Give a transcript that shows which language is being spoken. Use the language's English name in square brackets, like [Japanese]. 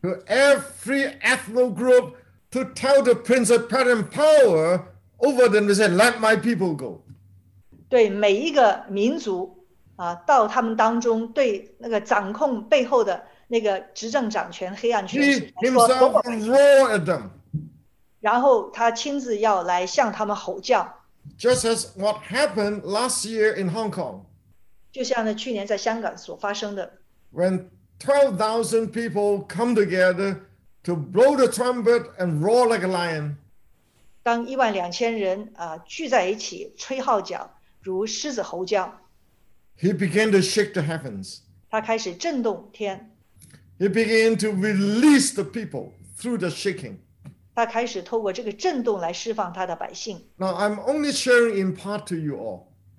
[English] To every ethnic group to tell the principality and power over them to say, "Let my people go." [Chinese] 对每一个民族。到他们当中对那个掌控背后的那个执政掌权黑暗权势说 [English] He himself roared at them. [Chinese] 然后他亲自要来向他们吼叫 [English] Just as what happened last year in Hong Kong. [Chinese] 就像去年在香港所发生的 [English] When 12,000 people come together to blow the trumpet and roar like a lion. [Chinese] 当12,000人聚在一起吹号角如狮子吼叫 [English] He began to shake the heavens. [Chinese] 他开始震动天。 [English] He began to release the people through the shaking. [Chinese] 他开始透过这个震动来释放他的百姓。 [English] Now I'm only sharing in part to you all.